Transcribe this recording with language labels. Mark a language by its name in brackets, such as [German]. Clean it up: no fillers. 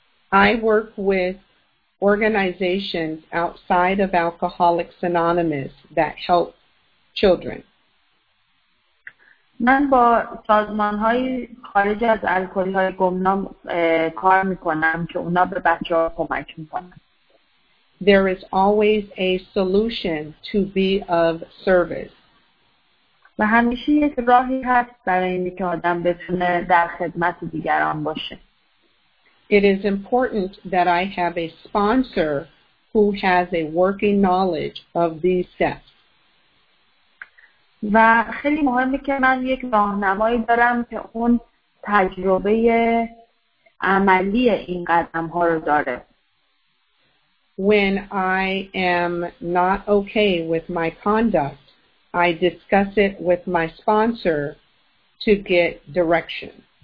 [English] I work with organizations outside of Alcoholics Anonymous that help children. [Persian] من با سازمان‌های خارج از الکل‌های گمنام کار می‌کنم که اونا به بچه‌ها کمک می‌کنن. [English] There is always a solution to be of service. [Persian] و همیشه یک راهی هست برای اینکه آدم بتونه در خدمت دیگران باشه. [English] It is important that I have a sponsor who has a working knowledge of these steps. [Persian] و خیلی مهمه که من یک راهنمایی دارم که اون تجربه عملی این قدم ها رو داره. [English] When I am not okay with my conduct, I discuss it with my sponsor to get direction.